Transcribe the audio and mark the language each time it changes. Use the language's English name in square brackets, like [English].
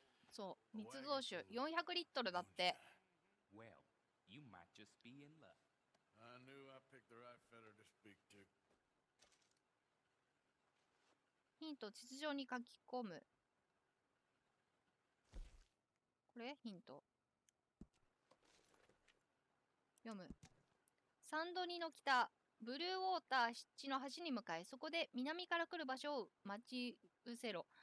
[Japanese] そう、密造酒400リットルだって。 [English] Well, you might just be in love. I knew I picked the right fella to speak to. [Japanese] ヒント、地図上に書き込む。これヒント読む。サンドニの北、ブルーウォーター湿地の端に向かい、そこで南から来る場所を待ち伏せろ。